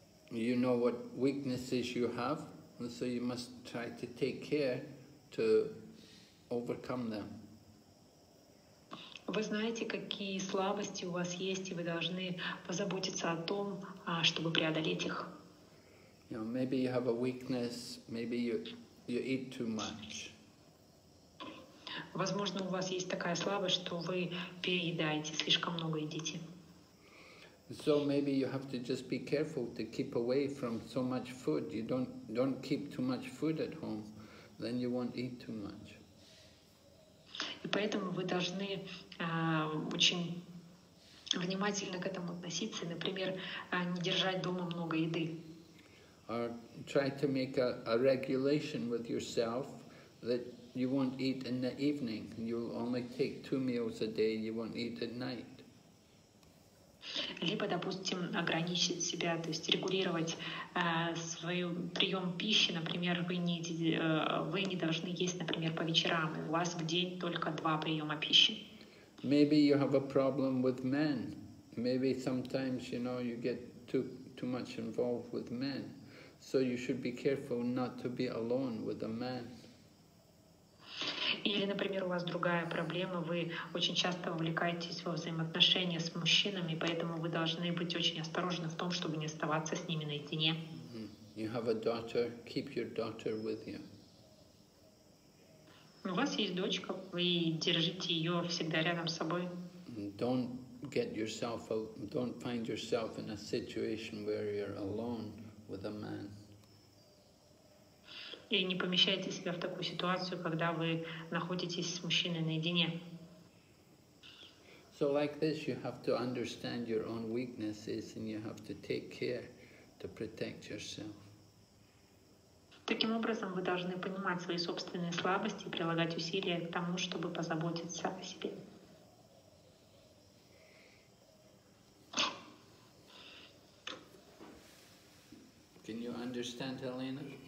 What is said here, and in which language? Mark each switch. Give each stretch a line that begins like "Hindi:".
English: You know what weaknesses you have, and so you must try to take care to overcome them.
Russian: Вы знаете, какие слабости у вас есть, и вы должны позаботиться о том, чтобы преодолеть их.
English: You know, maybe you have a weakness, maybe you eat too much.
Russian: Возможно, у вас есть такая слабость, что вы переедаете, слишком много едите.
English: So maybe you have to just be careful to keep away from so much food. You don't keep too much food at home, then you won't eat too much.
Russian: И поэтому вы должны очень внимательно к этому относиться, например, не держать дома много еды.
English: Or try to make a regulation with yourself that you won't eat in the evening, you'll only take two meals a day, you won't eat at night.
Russian: Либо, допустим, ограничить себя, то есть регулировать свой прием пищи, например, вы не должны есть, например, по вечерам, и у вас в день только два приема пищи.
English: Maybe you have a problem with men. Maybe sometimes, you know, you get too much involved with men. So you should be careful not to be alone with a man.
Russian: Или, например, у вас другая проблема, вы очень часто вовлекаетесь во взаимоотношения с мужчинами, поэтому вы должны быть очень осторожны в том, чтобы не оставаться с ними наедине.
English: You have a daughter, keep your daughter with you.
Russian: У вас есть дочка, вы держите ее всегда рядом с собой.
English: Don't find yourself in a situation where you're alone with a man.
Russian: И не помещайте себя в такую ситуацию, когда вы находитесь с мужчиной наедине.
English: So like this, you have to understand your own weaknesses, and you have to take care to protect yourself.
Russian: Таким образом, вы должны понимать свои собственные слабости и прилагать усилия к тому, чтобы позаботиться о себе.
English: Can you understand, Helena?